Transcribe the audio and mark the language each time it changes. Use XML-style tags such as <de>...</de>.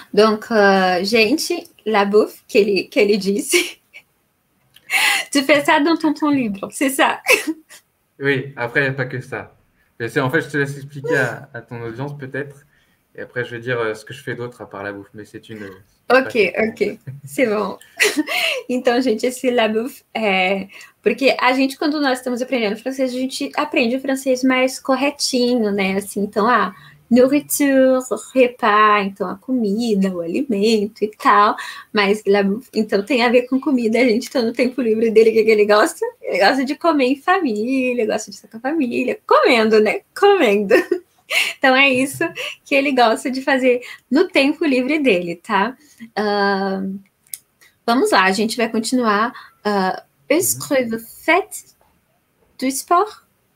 <fr>Donc, gente, la bouffe, qu'elle dit. Tu fais ça dans ton temps libre, c'est ça. Oui, après, il n'y a pas que ça. En fait, je te laisse expliquer à ton audience, peut-être. Et après, je vais dire ce que je fais d'autre à part la bouffe. Mais c'est une... Ok. C'est bon.</fr> <pt>Então, gente, esse la bouffe, porque a gente, quando nós estamos aprendendo francês, a gente aprende o francês mais corretinho, né? Assim, então, nourriture, repas, então a comida, o alimento e tal, mas então tem a ver com comida, a gente tá no tempo livre dele, o que ele gosta? Ele gosta de comer em família, gosta de estar com a família, comendo, né? Comendo. Então é isso que ele gosta de fazer no tempo livre dele, tá? Vamos lá, a gente vai continuar.</pt> <fr>Est-ce que vous faites du sport?</fr>